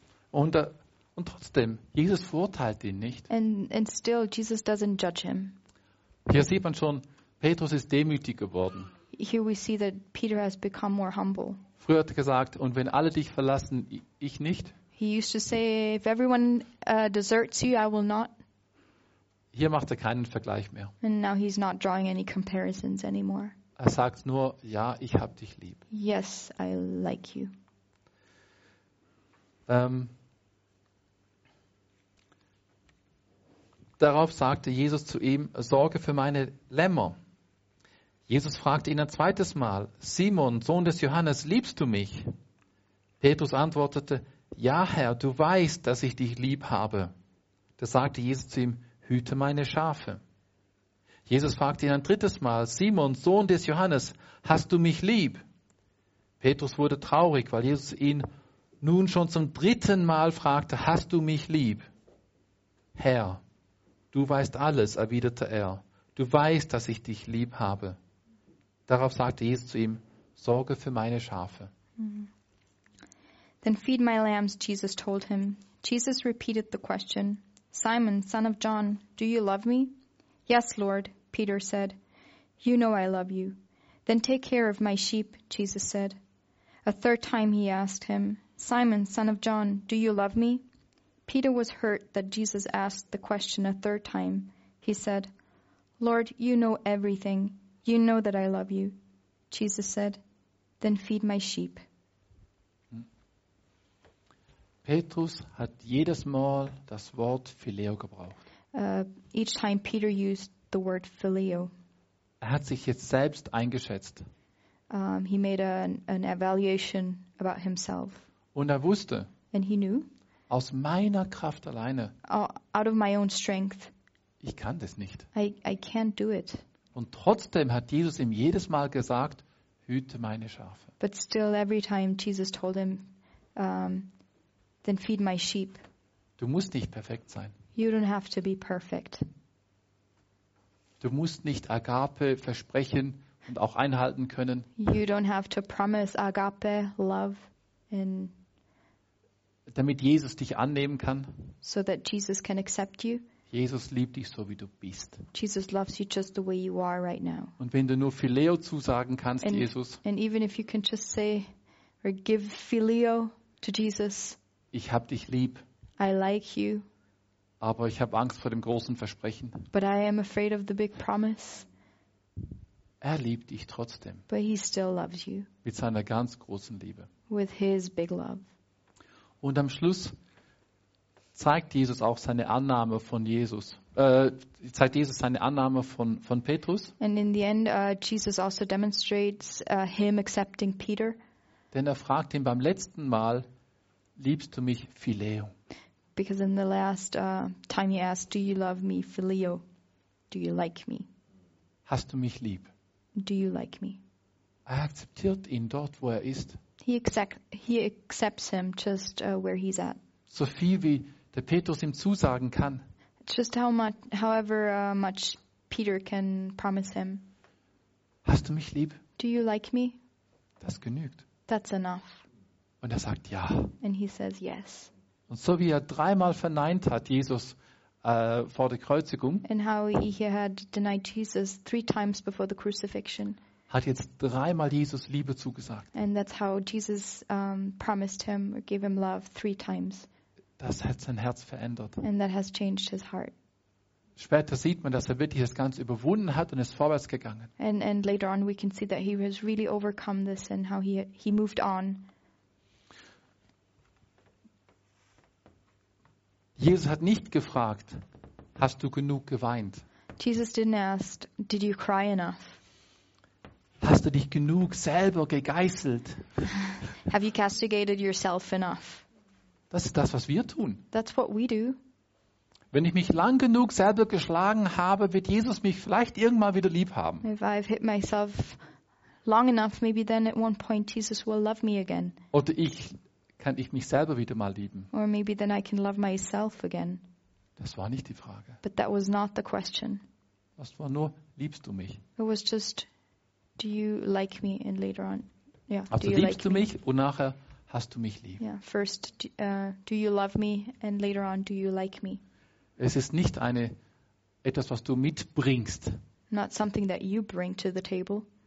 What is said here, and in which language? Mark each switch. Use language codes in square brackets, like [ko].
[de] Und trotzdem, Jesus verurteilt ihn nicht. [en] And still, Jesus doesn't judge him. [de] Hier sieht man schon, Petrus ist demütig geworden. [en] Here we see that Peter has become more humble. [de] Früher hat er gesagt, und wenn alle dich verlassen, ich nicht. [en] He used to say, if everyone deserts you, I will not. [de] Hier macht er keinen Vergleich mehr. [en] And now he's not drawing any comparisons anymore. [de] Er sagt nur, ja, ich hab dich lieb. [en] Yes, I like you. [de] Darauf sagte Jesus zu ihm, sorge für meine Lämmer. Jesus fragte ihn ein zweites Mal, Simon, Sohn des Johannes, liebst du mich? Petrus antwortete, ja, Herr, du weißt, dass ich dich lieb habe. Da sagte Jesus zu ihm, hüte meine Schafe. Jesus fragte ihn ein drittes Mal, Simon, Sohn des Johannes, hast du mich lieb? Petrus wurde traurig, weil Jesus ihn nun schon zum dritten Mal fragte, hast du mich lieb? Herr, du weißt alles, erwiderte er, du weißt, dass ich dich lieb habe. Darauf sagte Jesus zu ihm, sorge für meine Schafe. [en] Then feed my lambs, Jesus told him. Jesus repeated the question, Simon, son of John, do you love me? Yes, Lord, Peter said. You know I love you. Then take care of my sheep, Jesus said. A third time he asked him, Simon, son of John, do you love me? Peter was hurt that Jesus asked the question a third time. He said, Lord, you know everything. You know that I love you. Jesus said, then feed my sheep. [de] Petrus hat jedes Mal das Wort Phileo gebraucht. [en] Each time Peter used the word phileo. [de] Er hat sich jetzt selbst eingeschätzt. [en] He made an evaluation about himself. [de] Und er wusste. [en] And he knew. [de] Aus meiner Kraft alleine. [en] Out of my own strength. [de] Ich kann das nicht. [en] I can't do it. [de] Und trotzdem hat Jesus ihm jedes Mal gesagt, hüte meine Schafe. [en] But still every time Jesus told him, then feed my sheep. [de] Du musst nicht perfekt sein. [en] You don't have to be perfect. [de] Du musst nicht Agape versprechen und auch einhalten können. [en] You don't have to promise Agape love and [de] damit Jesus dich annehmen kann. [en] So that Jesus can accept you. [de] Jesus liebt dich so wie du bist. [en] Jesus loves you just the way you are right now. [de] Und wenn du nur Phileo zusagen kannst, [en] and, Jesus. And even if you can just say or give Phileo to Jesus. [de] Ich hab dich lieb. [en] I like you. [de] Aber ich habe Angst vor dem großen Versprechen. [en] But I am afraid of the big promise. [de] Er liebt dich trotzdem. [en] But he still loves you. [de] Mit seiner ganz großen Liebe. [en] With his big love. [de] Und am Schluss zeigt Jesus auch seine Annahme von Jesus. Zeigt Jesus seine Annahme von Petrus. [en] And in the end, Jesus also demonstrates him accepting Peter. [de] Denn er fragt ihn beim letzten Mal, liebst du mich, Phileo? [en] Because in the last time he asked, do you love me, Phileo? Do you like me? [de] Hast du mich lieb? [en] Do you like me? [de] Er akzeptiert ihn dort, wo er ist. [en] He accepts him just where he's at. [de] So viel wie der Petrus ihm zusagen kann. [en] Just however much Peter can promise him. [de] Hast du mich lieb? [en] Do you like me? [de] Das genügt. [en] That's enough. [de] Und er sagt ja. [en] And he says yes. [de] Und so wie er dreimal verneint hat, Jesus, vor der Kreuzigung. [en] And how he had denied Jesus three times before the crucifixion. [de] Hat jetzt dreimal Jesus Liebe zugesagt. [en] And that's how Jesus promised him or gave him love three times. [de] Das hat sein Herz verändert. [en] And that has changed his heart. [de] Später sieht man, dass er wirklich das Ganze überwunden hat und ist vorwärts gegangen. [en] And later on we can see that he has really overcome this and how he moved on. [de] Jesus hat nicht gefragt, hast du genug geweint? [en] Jesus didn't ask, did you cry enough? [de] Hast du dich genug selber gegeißelt? [en] Have you castigated yourself enough? [de] Das ist das, was wir tun. [en] That's what we do. [de] Wenn ich mich lang genug selber geschlagen habe, wird Jesus mich vielleicht irgendwann wieder lieb haben. [en] If I've hit myself long enough, maybe then at one point Jesus will love me again. [de] Oder ich kann ich mich selber wieder mal lieben. [en] Or maybe then I can love myself again. [de] Das war nicht die Frage. [en] But that was not the question. [de] Das war nur, liebst du mich? [en] It was just, do you like me? And later on, yeah. [de] Also liebst du mich und nachher hast du mich lieb. [en] Yeah, first do you love me and later on do you like me? [de] Es ist nicht etwas, was du mitbringst. [en] Not something that you bring to the table.